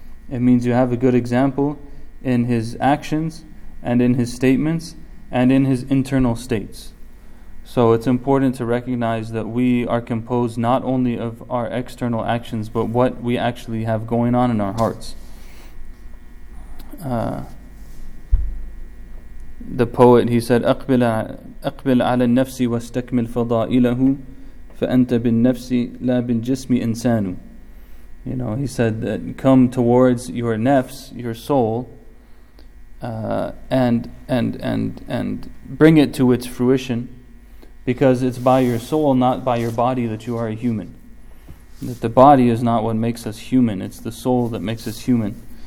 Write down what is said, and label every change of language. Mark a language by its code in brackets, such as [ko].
[en] It means you have a good example in his actions and in his statements and in his internal states. So it's important to recognize that we are composed not only of our external actions, but what we actually have going on in our hearts. The poet, he said, [ar] أقبل على النفس واستكمل فضائله فأنت بالنفس لا بالجسم إنسان. [en] You know, he said that come towards your nafs, your soul, and bring it to its fruition. Because it's by your soul, not by your body, that you are a human. That the body is not what makes us human, it's the soul that makes us human.